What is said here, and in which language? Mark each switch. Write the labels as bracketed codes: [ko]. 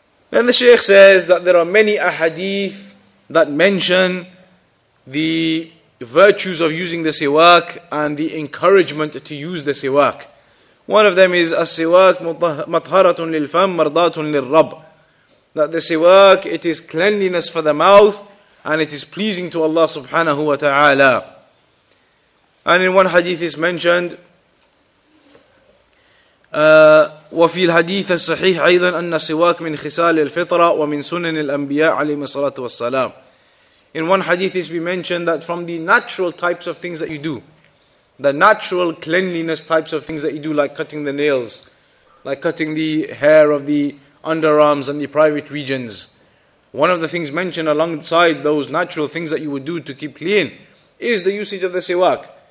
[en] Then the Shaykh says that there are many ahadith that mention the virtues of using the siwak and the encouragement to use the siwak. One of them is, [ar] As-siwak matharatun lil-fam mardatun lil-rab. [en] That the siwak, it is cleanliness for the mouth and it is pleasing to Allah subhanahu wa ta'ala. And in one hadith is mentioned, [ar] وفي الحديث الصحيح أيضا أن السواك من خصال الفطرة ومن سنن الأنبياء عليهم الصلاة والسلام. [en] In one hadith it's been mentioned that from the natural types of things that you do, the natural cleanliness types of things that you do, like cutting the nails, like cutting the hair of the underarms and the private regions, one of the things mentioned alongside those natural things that you would do to keep clean is the usage of the siwak.